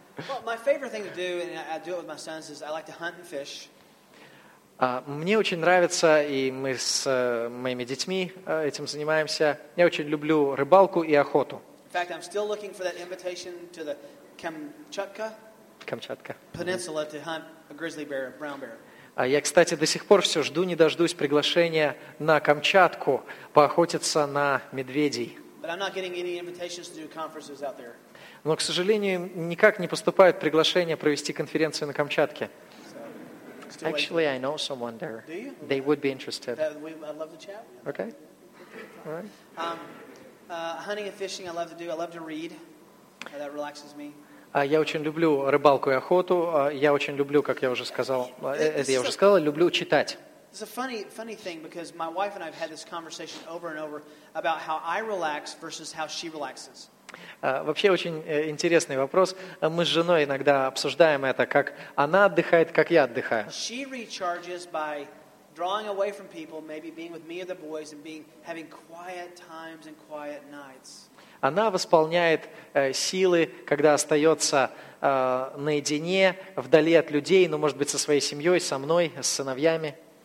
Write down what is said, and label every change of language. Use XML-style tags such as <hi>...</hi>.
<en>Well, my favorite thing to do, and I do it with my sons, is I like to hunt and fish.</en> <ru>Мне очень нравится, и мы с моими детьми этим занимаемся. Я очень люблю рыбалку и охоту.</ru> <en>In fact, I'm still looking for that invitation to the</en> <ru>Камчатка</ru> <en>Peninsula to hunt a grizzly bear, brown bear.</en> <ru>Я, кстати, до сих пор все жду, не дождусь приглашения на Камчатку поохотиться на медведей.</ru> <en>But I'm not getting any invitations to do conferences out there.</en> <ru>Но, к сожалению, никак не поступают приглашения провести конференцию на Камчатке.</ru> <en>Actually, I know someone there. Do you? They would be interested. I'd love to chat. Okay. All right. Hunting and fishing, I love to do. I love to read. That relaxes me.</en> <ru>Я очень люблю рыбалку и охоту. Я очень люблю, как я уже сказал, люблю читать.</ru> <en>It's a funny thing because my wife and I have had this conversation over and over about how I relax versus how she relaxes.</en> <ru>Вообще очень интересный вопрос. Мы с женой иногда обсуждаем это, как она отдыхает, как я отдыхаю.</ru> <en>She recharges by drawing away from people, maybe being with me or the boys and being having quiet times and quiet nights.</en> <ru>Она восполняет силы, когда остается наедине, вдали от людей, но, может быть, со своей семьей, со мной, с сыновьями.</ru>